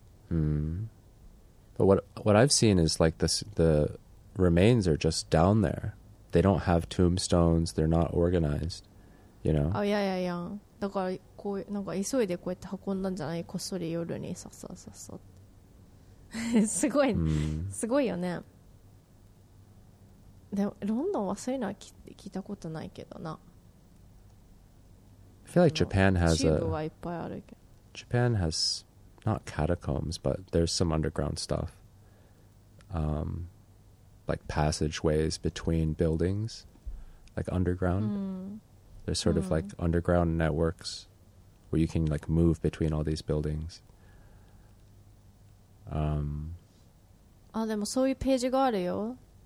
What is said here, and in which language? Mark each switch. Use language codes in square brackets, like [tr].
[en] But what I've seen is like the remains are just down there. They don't have tombstones. They're not organized, you know? Oh, yeah, yeah, yeah. [ja] だからこう、なんか急いでこうやって運んだんじゃない?こっそり夜にさっさっさっさ。すごい、すごいよね。でも、ロンドンはそういうのは聞いたことないけどな。 [en] I feel like Japan has a... [ja] チューブはいっぱいあるけど。 [en] Japan has... Not catacombs, but there's some underground stuff. Like passageways between buildings, like underground. There's sort of like underground networks where you can like move between all these buildings. [ja] でもそういうページがあるよ。